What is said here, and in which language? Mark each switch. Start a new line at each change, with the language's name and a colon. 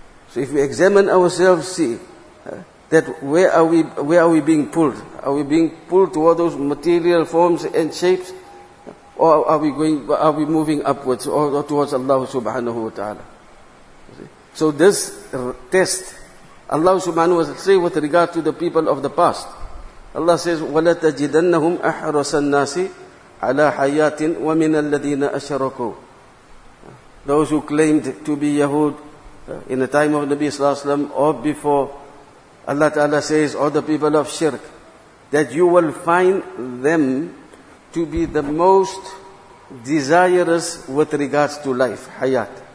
English: So if we examine ourselves, see, that where are we being pulled? Are we being pulled toward those material forms and shapes? Or are we moving upwards or towards Allah subhanahu wa ta'ala? So this test, Allah subhanahu wa ta'ala say with regard to the people of the past. Allah says,
Arabic: وَلَتَجِدَنَّهُمْ أَحْرَسَ النَّاسِ عَلَى حَيَاةٍ وَمِنَ الَّذِينَ أَشْرَكُوا.
English: Those who claimed to be Yahud in the time of Nabi sallallahu alayhi wa sallam, or before, Allah Ta'ala says, or the people of Shirk, that you will find them to be the most desirous with regards to life, hayat.